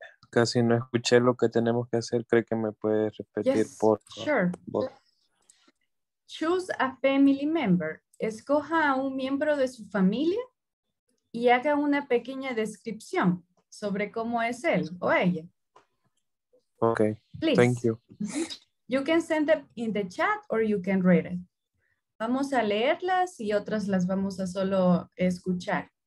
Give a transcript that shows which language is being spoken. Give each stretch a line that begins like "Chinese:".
Spanish: Casi no escuché lo que tenemos que hacer. ¿Cree que me puede repetir,
English: yes,
Spanish: por favor?
English: Sure. Choose a family member.
Spanish: Escoja a un miembro de su familia y haga una pequeña descripción sobre cómo es él o ella.
English: Okay. Please. Thank you. You can send it in the chat or you can read it.
Spanish: Vamos a leerlas y otras las vamos a solo escuchar.